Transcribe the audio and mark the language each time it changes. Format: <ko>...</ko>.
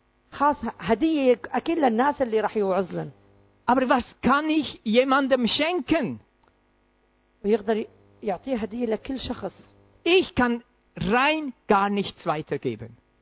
<ar>خاص هدية أكيد للناس اللي راح يوعظ لهم.</ar> <de>Aber was kann ich jemandem schenken?</de> <ar>ويقدر يعطيه هدية لكل شخص.</ar> <de>Ich kann rein gar nichts weitergeben.</de>